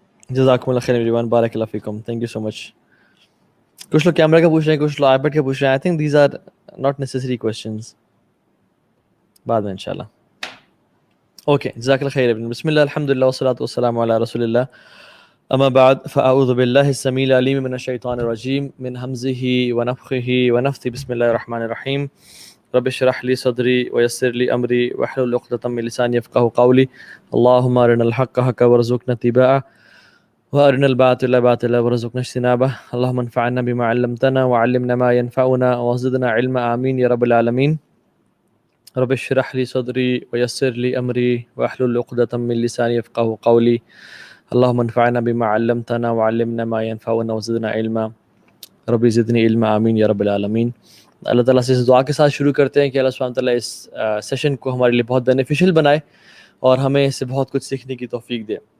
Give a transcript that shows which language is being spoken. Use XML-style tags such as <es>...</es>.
<ar>جزاکم اللہ خیر</ar> <en>everyone,</en> <ar>بارک اللہ فیکم,</ar> <en>Thank you so much.</en> <ur>کچھ لوگ کیمرہ کا پوچھ رہے ہیں, کچھ لوگ آئی پیڈ کا پوچھ رہے ہیں.</ur> <en>I think these are not necessary questions,</en> <ur>بعد میں ان شاء اللہ.</ur> <en>okay</en> <ar>جزاک اللہ خیر, بسم اللہ الحمد للہ والصلاۃ والسلام علی رسول اللہ, اما بعد, فاعوذ باللہ السمیع العلیم من الشیطان الرجیم, من حمزہ ونفخہ ونفثہ, بسم اللہ الرحمن الرحیم. رب اشرح لي صدري ويسر لي امري واحلل عقدة من لساني يفقهوا قولي. اللهم ارنا الحق حقا وارزقنا اتباعه وارنا الباطل باطلا وارزقنا اجتنابه. اللهم انفعنا بما علمتنا وعلمنا ما ينفعنا وزدنا علما, امين يا رب العالمين. رب اشرح لي صدري ويسر لي امري واحلل عقدة من لساني يفقهوا قولي. اللهم انفعنا بما علمتنا وعلمنا ما ينفعنا وزدنا علما, رب زدني علما, امين يا رب العالمين.</ar> <ur>اللہ تعالیٰ سے اس دعا کے ساتھ شروع کرتے ہیں کہ اللہ سبحانہ وتعالیٰ اس سیشن کو ہمارے لیے بہت بینیفیشل بنائے اور ہمیں اس سے بہت کچھ سیکھنے کی توفیق دے.</ur>